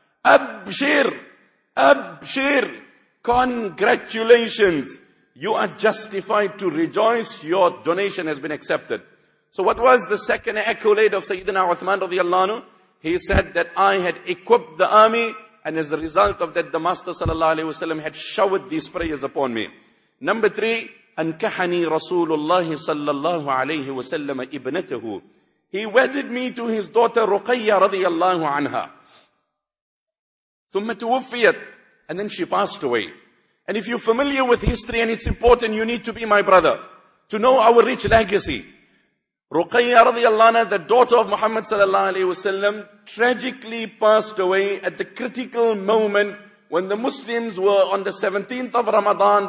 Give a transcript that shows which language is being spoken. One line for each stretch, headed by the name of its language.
English: Abshir, abshir, congratulations. You are justified to rejoice. Your donation has been accepted. So what was the second accolade of Sayyidina Uthman radiallahu anhu? He said that I had equipped the army, and as a result of that, the Master sallallahu alayhi wasallam had showered these prayers upon me. Number three,
Arabic: أنكحني رسول الله صلى الله عليه وسلم ابنته.
English: He wedded me to his daughter
Arabic: رقية رضي الله عنها. ثم توفيت.
English: And then she passed away. And if you're familiar with history, and it's important, you need to be, my brother, to know our rich legacy.
Arabic: رقية رضي الله عنها,
English: the daughter of Muhammad
Arabic: صلى الله عليه وسلم,
English: tragically passed away at the critical moment when the Muslims were on the 17th of Ramadan.